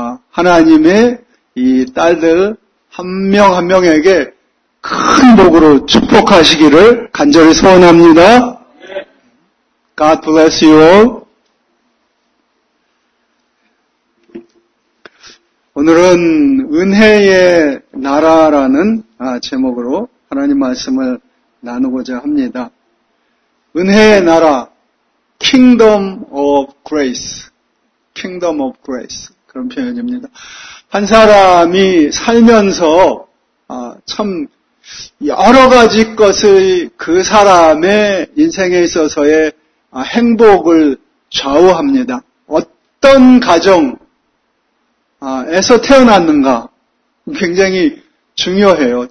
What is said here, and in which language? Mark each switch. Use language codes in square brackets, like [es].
[ko] 하나님의 이 딸들 한 명 한 명에게 큰 복으로 축복하시기를 간절히 소원합니다. [en] God bless you all. [ko] 오늘은 은혜의 나라라는 제목으로 하나님 말씀을 나누고자 합니다. 은혜의 나라, Kingdom of Grace, Kingdom of Grace 그런 표현입니다. 한 사람이 살면서 참 여러 가지 것을 그 사람의 인생에 있어서의 행복을 좌우합니다. 어떤 가정 에서 태어났는가 굉장히 중요해요.